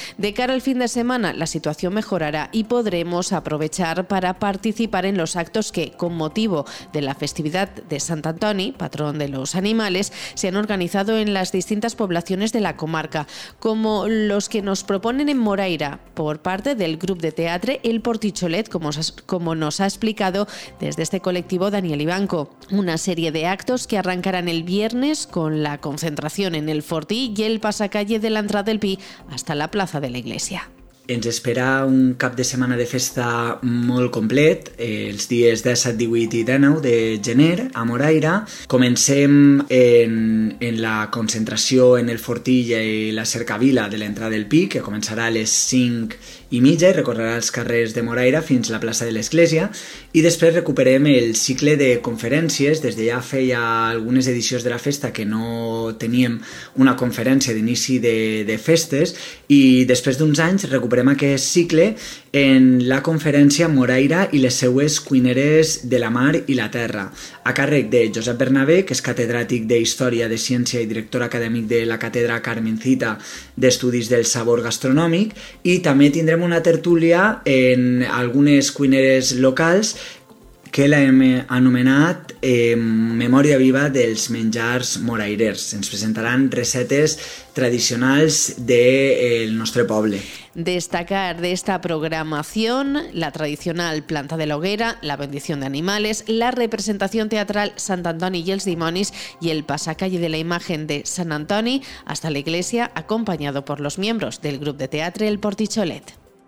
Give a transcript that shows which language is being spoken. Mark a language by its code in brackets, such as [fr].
[es] De cara al fin de semana, la situación mejorará y podremos aprovechar para participar en los actos que, con motivo de la festividad de Sant Antoni, patrón de los animales, se han organizado en las distintas poblaciones de la comarca, como los que nos proponen en Moraira por parte del grupo de teatro El Porticholet, como nos ha explicado desde este colectivo Daniel Ibanco. Una serie de actos que arrancarán el viernes con la concentración en el Fortí y el pasacalle de la entrada del Pi hasta la plaza de la iglesia. [ca] Ens espera un cap de setmana de festa molt complet, els dies 17, 18 i 19 de gener a Moraira. Comencem en la concentració en el Fortí i la cercavila de l'entrada del Pi, que començarà a les 5 i mitja i recorrerà els carrers de Moraira fins a la plaça de l'Església. I després recuperem el cicle de conferències. Des de ja feia algunes edicions de la festa que no teníem una conferència d'inici de festes i després d'uns anys recuperem aquest cicle en la conferència Moraira i les seues cuineres de la mar i la terra, a càrrec de Josep Bernabé, que és catedràtic d'Història de Ciència i director acadèmic de la Càtedra Carmencita d'Estudis del Sabor Gastronòmic, i també tindrem una tertúlia en algunes cuineres locals que l'hem anomenat Memòria Viva dels Menjars Moraires. Ens presentaran recetes tradicionals del nostre poble. [es] Destacar de esta programación la tradicional planta de la hoguera, la bendición de animales, la representación teatral Sant Antoni i els dimonis y el pasacalle de la imagen de Sant Antoni hasta la iglesia, acompañado por los miembros del grupo de teatro El Porticholet.